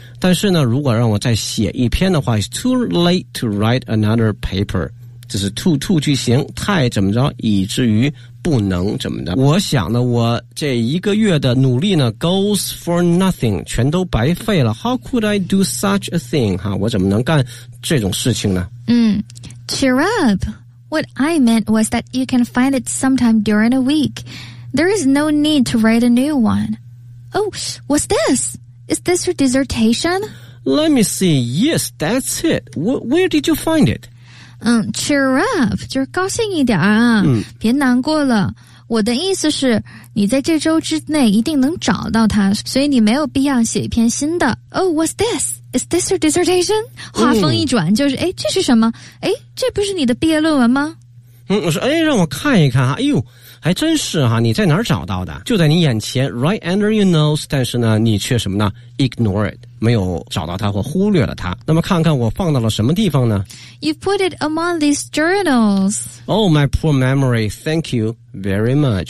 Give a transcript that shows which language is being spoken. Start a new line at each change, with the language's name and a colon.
Chinese: 但是呢如果让我再写一篇的话，
English: it's too late to write another paper，
Chinese: 这是 too 句型，太怎么着以至于不能怎么的。我想呢我这一个月的努力呢
English: goes for nothing，
Chinese: 全都白费了。
English: How could I do such a thing？
Chinese: 哈，我怎么能干这种事情呢？
English: Cheer up. What I meant was that you can find it sometime during a week. There is no need to write a new one. Oh, what's this? Is this your dissertation? Let me see. Yes, that's it. Where did you find it? Cheer up.
Chinese: 就是高兴一点啊、别难过了。我的意思是你在这周之内一定能找到它，所以你没有必要写一篇新的。
English: Oh, what's this? Is this your dissertation?
Chinese: 话锋一转就是、这是什么，这不是你的毕业论文吗？我说让我看一看，哎呦，还真是哈，你在哪儿找到的？就在你眼前
English: right under your nose，
Chinese: 但是呢你却什么呢
English: ignore it，
Chinese: 没有找到它或忽略了它。那么看看我放到了什么地方呢？
English: You put it among these journals. Oh my poor memory, thank you very much.